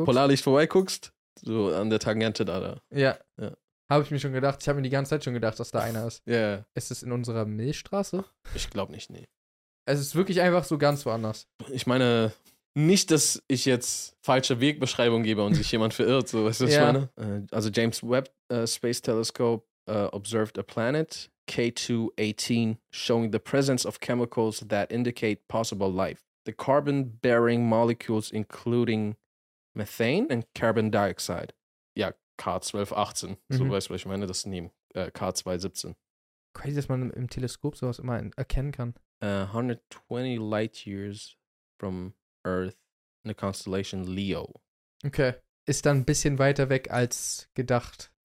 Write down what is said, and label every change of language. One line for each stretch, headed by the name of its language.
German: Am Polarlicht vorbeiguckst, so an der Tangente da. Ja. Ja. Habe ich mir schon gedacht. Ich habe mir die ganze Zeit schon gedacht, dass da einer ist. Ja. Yeah. Ist es in unserer Milchstraße? Ich glaube nicht, nee. Es ist wirklich einfach so ganz woanders. Ich meine, nicht, dass ich jetzt falsche Wegbeschreibungen gebe und sich jemand verirrt, so weißt du, was ich meine? Also
English: James Webb Space Telescope observed a planet, K2-18, showing the presence of chemicals that indicate possible life. The carbon-bearing molecules including methane and carbon dioxide.
German: Ja, K12-18, so weißt du, was ich meine? Das nehmen K2-17. Crazy, dass man im Teleskop sowas immer erkennen kann.
English: 120 light years from Earth in the constellation Leo.
German: Okay. Ist dann ein bisschen weiter weg als gedacht.